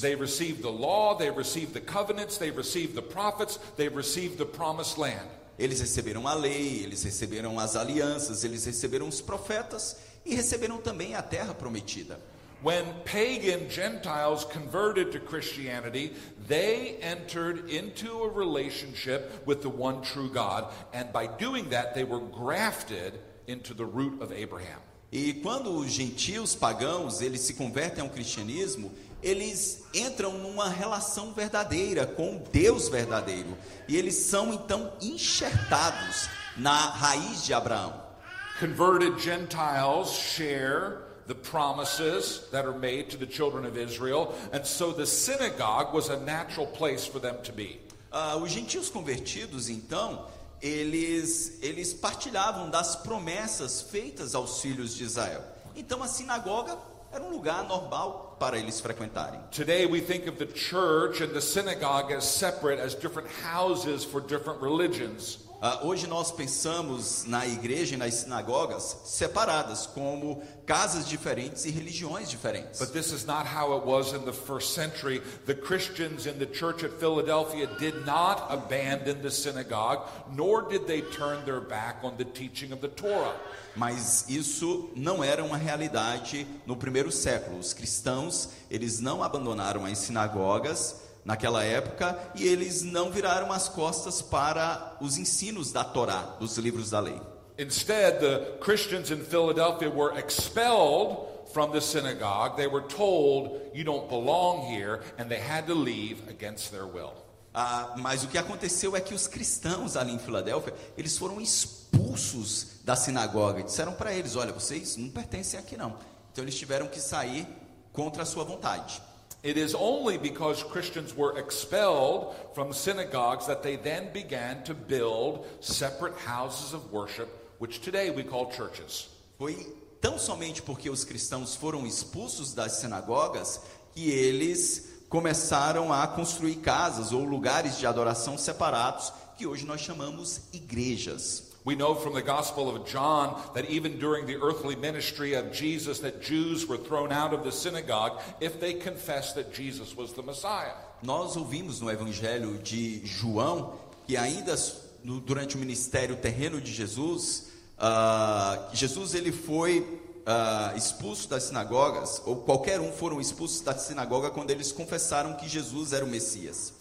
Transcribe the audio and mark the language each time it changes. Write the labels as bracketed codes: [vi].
[en] They received the law, they received the covenants, they received the prophets, they received the promised land. [pt] Eles receberam a lei, eles receberam as alianças, eles receberam os profetas e receberam também a terra prometida. [en] When pagan Gentiles converted to Christianity, they entered into a relationship with the one true God, and by doing that, they were grafted into the root of Abraham. [pt] E quando os gentios pagãos, eles se convertem ao cristianismo, eles entram numa relação verdadeira com Deus verdadeiro, e eles são então enxertados na raiz de Abraão. [en] Converted Gentiles share the promises that are made to the children of Israel, and so the synagogue was a natural place for them to be. [pt] Os gentios convertidos, então, eles partilhavam das promessas feitas aos filhos de Israel. Então, a sinagoga era um lugar normal para eles frequentarem. [en] Today we think of the church and the synagogue as separate, as different houses for different religions. [pt] Hoje nós pensamos na igreja e nas sinagogas separadas como casas diferentes e religiões diferentes. [en] But this is not how it was in the first century. The Christians in the church at Philadelphia did not abandon the synagogue, nor did they turn their back on the teaching of the Torah. [pt] Mas isso não era uma realidade no primeiro século. Os cristãos, eles não abandonaram as sinagogas, naquela época, e eles não viraram as costas para os ensinos da Torá, dos livros da lei. [en] Instead, the Christians in Philadelphia were expelled from the synagogue. They were told, "You don't belong here," and they had to leave against their will. [pt] Mas o que aconteceu é que os cristãos ali em Filadélfia, eles foram expulsos da sinagoga. Disseram para eles, olha, vocês não pertencem aqui não. Então eles tiveram que sair contra a sua vontade. [en] It is only because Christians were expelled from synagogues that they then began to build separate houses of worship, which today we call churches. [pt] Foi tão somente porque os cristãos foram expulsos das sinagogas que eles começaram a construir casas ou lugares de adoração separados, que hoje nós chamamos igrejas. [en] We know from the Gospel of John that even during the earthly ministry of Jesus, that Jews were thrown out of the synagogue if they confessed that Jesus was the Messiah. [pt] Nós ouvimos no Evangelho de João que ainda durante o ministério terreno de Jesus, Jesus ele foi expulso das sinagogas, ou qualquer um foram expulsos da sinagoga quando eles confessaram que Jesus era o Messias.